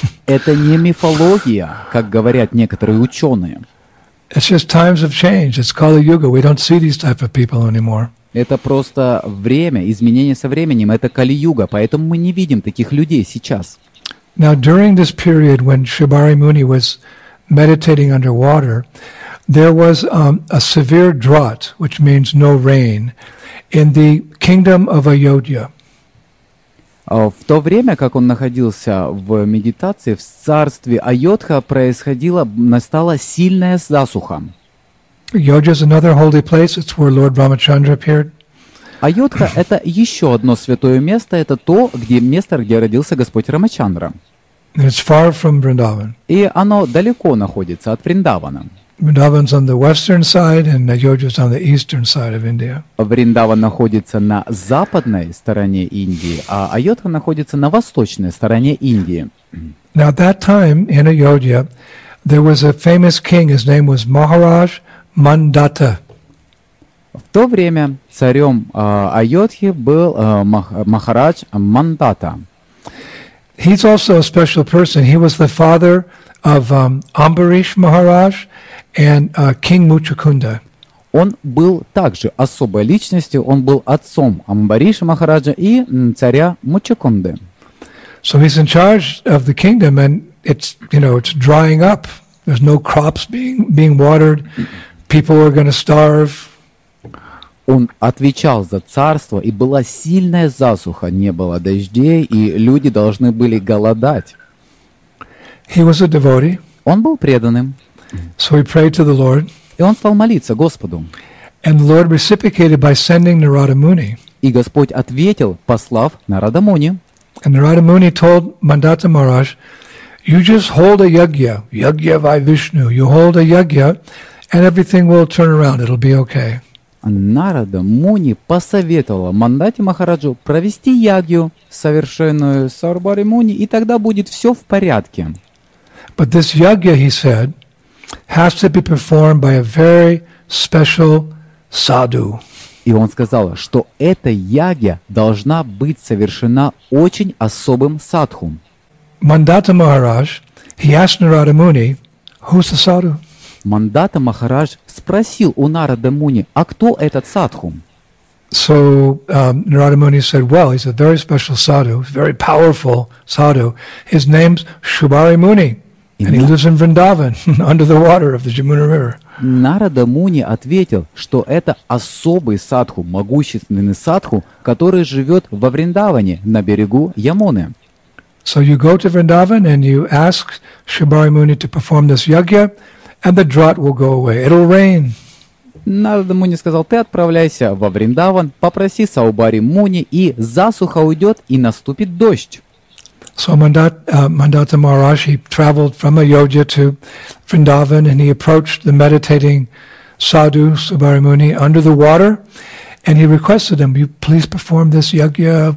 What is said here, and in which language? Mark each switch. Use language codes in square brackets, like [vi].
[ru] Это не мифология, как говорят некоторые ученые. [en] It's just times have changed. It's Kali-Yuga. We don't see these type of people anymore. [ru] Это просто время, изменение со временем. Это Кали-Юга, поэтому мы не видим таких людей сейчас. [en] Now during this period when Shibari Muni was meditating underwater, there was a severe drought, which means no rain. In the kingdom of Ayodhya. [ru] В то время, как он находился в медитации, в царстве Айодха происходило, настала сильная засуха. [en] Ayodhya is another holy place. It's where Lord Ramachandra appeared. [ru] Айодха — это еще одно святое место. Это то, где место, где родился Господь Рамачандра. [en] And it's far from Vrindavan. [ru] И оно далеко находится от Вриндавана. [en] Vrindavan's on the western side, and Ayodhya's on the eastern side of India. [ru] Вриндаван находится на западной стороне Индии, а Айодха находится на восточной стороне Индии. [en] Now at that time in Ayodhya, there was a famous king. His name was Maharaj Mandata. [ru] В то время царем Айодхи был Махарадж Мандата. [en] He's also a special person. He was the father of Амбариш Махарадж. And King Muchukunda. [ru] Он был также особой личностью. Он был отцом Амбариша Махараджа и царя Мучукунды. [en] So he's in charge of the kingdom, and it's drying up. There's no crops being watered. People are going to starve. [ru] Он отвечал за царство, и была сильная засуха. Не было дождей, и люди должны были голодать. [en] He was a devotee. [ru] Он был преданным. [en] So he prayed to the Lord. [ru] И он стал молиться Господу. [en] And the Lord reciprocated by sending Narada Muni. [ru] И Господь ответил, послав Нарада Муни. [en] And Narada Muni told Mandata Maharaj, "You just hold a yagya, [sa] yagya vai Vishnu. [en] You hold a yagya, and everything will turn around. It'll be okay." [ru] Нарада Муни посоветовала Мандате Махараджу провести ягью, совершенную Сарбари Муни, и тогда будет все в порядке. [en] But this yagya, he said, has to be performed by a very special sadhu. [ru] И он сказал, что эта ягья должна быть совершена очень особым садху. [en] Mandata Maharaj, he asked Narada Muni, who's the sadhu? [ru] Mandata Maharaj спросил у Нарада Муни, а кто этот садху? [en] So Narada Muni said, well, he's a very special sadhu, very powerful sadhu. His name's Shibari Muni. And he lives in Vrindavan, under the water of the Jamuna River. [ru] Нарада Муни ответил, что это особый садху, могущественный садху, который живет во Вриндаване, на берегу Ямуны. [en] So you go to Vrindavan and you ask Shibari Muni to perform this yagya, and the drought will go away. It'll rain. [ru] Нарада Муни сказал, ты отправляйся во Вриндаван, попроси Саубари Муни, и засуха уйдет, и наступит дождь. [en] So Mandata Maharaj, he traveled from Ayodhya to Vrindavan, and he approached the meditating sadhu Shibari Muni under the water, and he requested him, "You please perform this yagya.